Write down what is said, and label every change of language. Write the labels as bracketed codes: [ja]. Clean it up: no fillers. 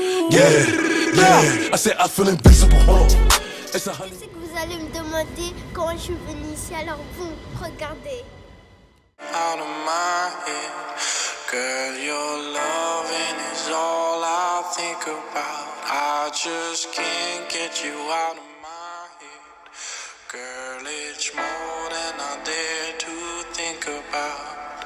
[en] Yeah. I said I feel invisible. [fr] Je sais que vous allez me demander comment je suis venu ici, alors vous regardez. [en] Out of my head, girl, your loving is all I think about. I just can't get you out of my head, girl. It's more than I dare to think about.